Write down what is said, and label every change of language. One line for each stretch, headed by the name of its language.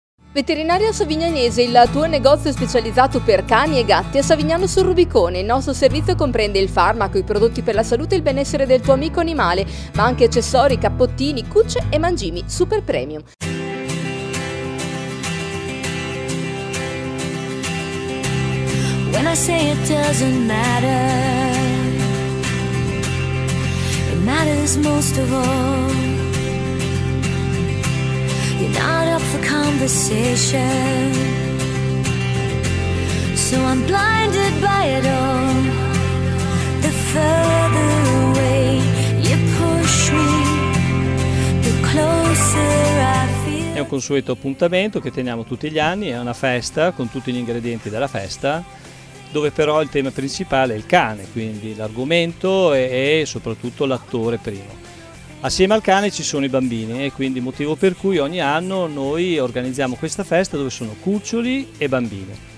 Italian: Veterinaria Savignanese, il tuo negozio specializzato per cani e gatti a Savignano sul Rubicone. Il nostro servizio comprende il farmaco, i prodotti per la salute e il benessere del tuo amico animale, ma anche accessori, cappottini, cucce e mangimi super premium.
English: When I say it doesn't matter, it matters most of all. You're not up for conversation, so I'm blinded by it all. The further away you push me, the closer I feel.
Italian: È un consueto appuntamento che teniamo tutti gli anni, è una festa con tutti gli ingredienti della festa, dove però il tema principale è il cane, quindi l'argomento e soprattutto l'attore primo. Assieme al cane ci sono i bambini e quindi motivo per cui ogni anno noi organizziamo questa festa dove sono cuccioli e bambini.